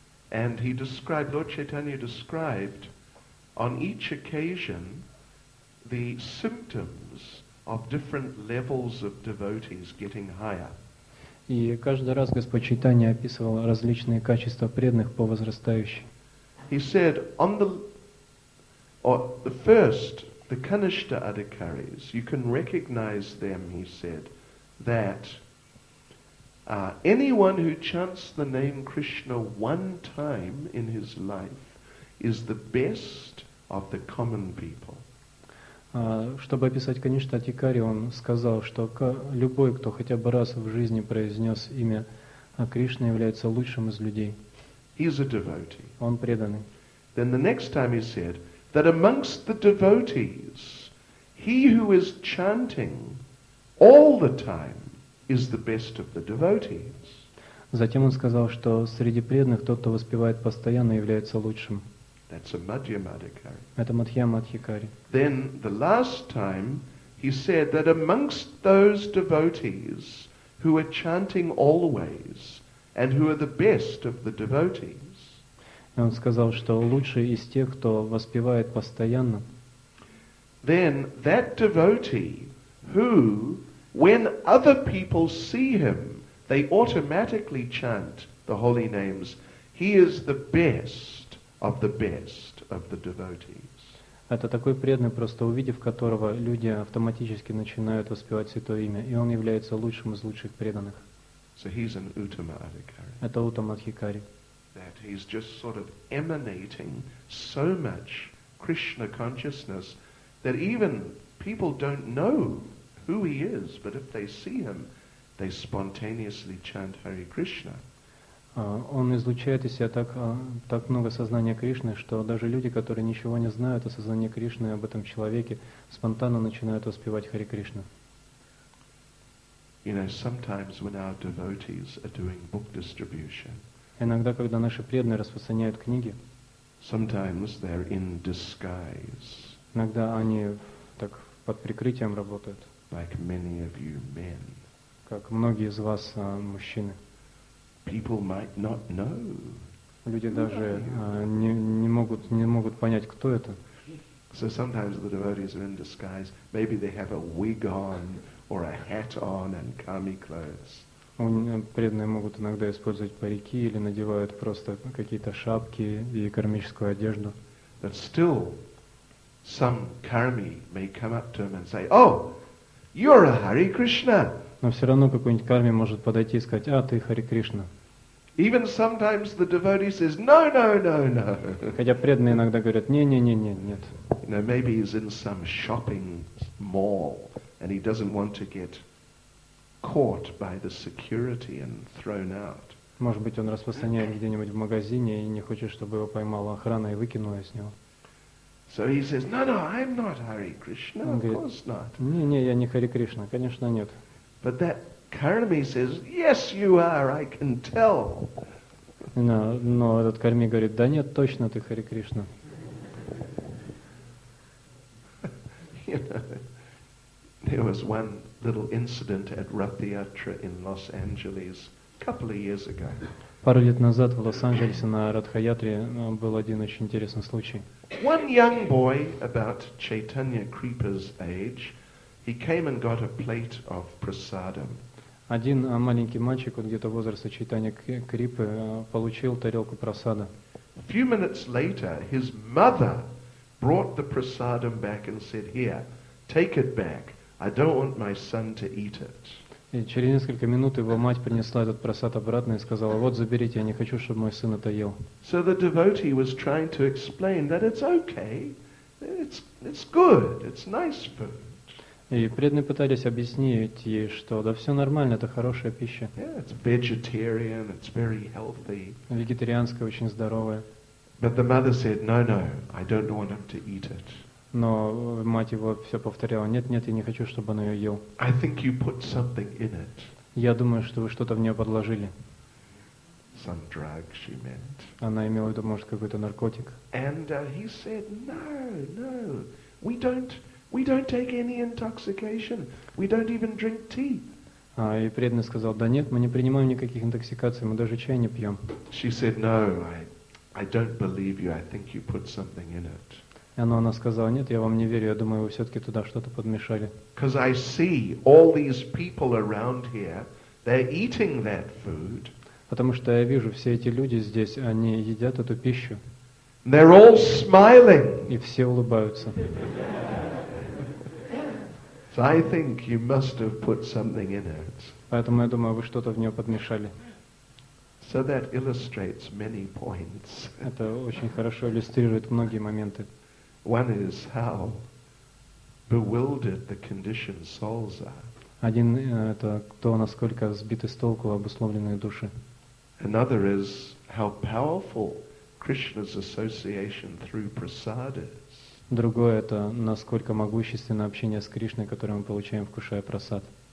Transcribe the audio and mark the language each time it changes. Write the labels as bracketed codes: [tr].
[en] And he described, Lord Chaitanya described on each occasion the symptoms of different levels of devotees getting higher. [ru] И каждый раз Господь Чайтанья описывал различные качества преданных по возрастающей. [en] He said, on the, or the first, the Kanishta Adhikaris, you can recognize them, he said, that anyone who chants the name Krishna one time in his life is the best of the common people. [ru] Чтобы описать Каништа Атикари, он сказал, что любой, кто хотя бы раз в жизни произнес имя Кришны, является лучшим из людей. [en] He's a devotee. [ru] Он преданный. [en] Then the next time he said that amongst the devotees, he who is chanting all the time is the best of the devotees. [ru] Затем он сказал, что среди преданных тот, кто воспевает постоянно, является лучшим. [en] That's a Madhyamadhikari. [ru] Это Мадхьямадхикари. [en] Then the last time he said that amongst those devotees who are chanting always and who are the best of the devotees. [ru] Он сказал, что лучший из тех, кто воспевает постоянно. [en] Then that devotee who, when other people see him, they automatically chant the holy names, he is the best of the best of the devotees. [ru] Это такой преданный, просто увидев которого, люди автоматически начинают воспевать святое имя, и он является лучшим из лучших преданных. [en] So he's an Uttama Adhikari. [ru] Это Uttama Adhikari. [en] That he's just sort of emanating so much Krishna consciousness that even people don't know who he is, but if they see him, they spontaneously chant Hare Krishna. [ru] Он излучает из себя так много сознания Кришны, что даже люди, которые ничего не знают о сознании Кришны и об этом человеке, спонтанно начинают воспевать Хари Кришну. [en] You know, sometimes when our devotees are doing book distribution, [ru] иногда, когда наши преданные распространяют книги, [en] sometimes they're in disguise, [ru] иногда они так под прикрытием работают, [en] like many of you men, [ru] как многие из вас мужчины. [en] People might not know. [ru] Люди даже не могут понять, кто это. [en] So sometimes the devotees are in disguise. Maybe they have a wig on or a hat on and kami clothes. [ru] Преданные могут иногда использовать парики или надевают просто какие-то шапки и кармическую одежду. [en] But still, some karmi may come up to him and say, "Oh, you're a Hare Krishna." [ru] Но все равно какой-нибудь карми может подойти и сказать, а, ты Хари Кришна. [en] Even sometimes the devotee says, no, no, no, no. [ru] Хотя преданные иногда говорят, не-не-не-не, нет. [en] You know, maybe he's in some shopping mall, and he doesn't want to get caught by the security and thrown out. [ru] Может быть, он распространяет где-нибудь в магазине и не хочет, чтобы его поймала охрана и выкинула из него. [en] So he says, no, I'm not Hare Krishna, of [ru] говорит, [en] course not. [ru] Не-не, я не Хари Кришна, конечно, нет. [en] But that karmi says, "Yes, you are. I can tell." [ru] Но этот карми говорит, да нет, точно ты Хари Кришна. [en] There was one little incident at Ratha-yatra in Los Angeles a couple of years ago. [ru] Пару лет назад в Лос-Анджелесе на Ратха-ятре был один очень интересный случай. [en] One young boy about Chaitanya Kripa's age. He came and got a plate of prasadam. [ru] Один маленький мальчик, вот где-то возраста Чайтанья Крипы, получил тарелку прасада. [en] A few minutes later, his mother brought the prasadam back and said, "Here, take it back. I don't want my son to eat it." [ru] И через несколько минут его мать принесла этот прасад обратно и сказала, "Вот заберите, я не хочу, чтобы мой сын это ел." [en] So the devotee was trying to explain that it's okay, it's good, it's nice food. [ru] И преданные пытались объяснить ей, что да все нормально, это хорошая пища. [en] Yeah, it's vegetarian, it's very healthy. [ru] Вегетарианская, очень здоровая. [en] But the mother said, no, I don't want him to eat it. [ru] Но мать его все повторяла, нет, я не хочу, чтобы он ее ел. [en] I think you put something in it. [ru] Я думаю, что вы что-то в нее подложили. [en] some drug, she meant. [ru] Она имела в виду, может, какой-то наркотик. [en] And he said, no, we don't take any intoxication. We don't even drink tea. [ru] И преданный сказал, да нет, мы не принимаем никаких интоксикаций, мы даже чай не пьем. [en] She said, no, I don't believe you. I think you put something in it. [ru] Но она сказала, нет, я вам не верю, я думаю, вы все-таки туда что-то подмешали. [en] Because I see all these people around here, they're eating that food. [ru] Потому что я вижу, все эти люди здесь, они едят эту пищу. [en] They're all smiling. [ru] И все улыбаются. [en] So I think you must have put something in it. [ru] Поэтому я думаю, вы что-то в нее подмешали. [en] So that illustrates many points. [ru] Это очень хорошо иллюстрирует многие моменты. [en] One is how bewildered the conditioned souls are. [ru] Один это то, насколько сбиты с толку обусловленные души. [en] Another is how powerful Krishna's association through prasada is. [ru] Другое это насколько могущественно общение с Кришной, которое мы получаем, вкушая прасад.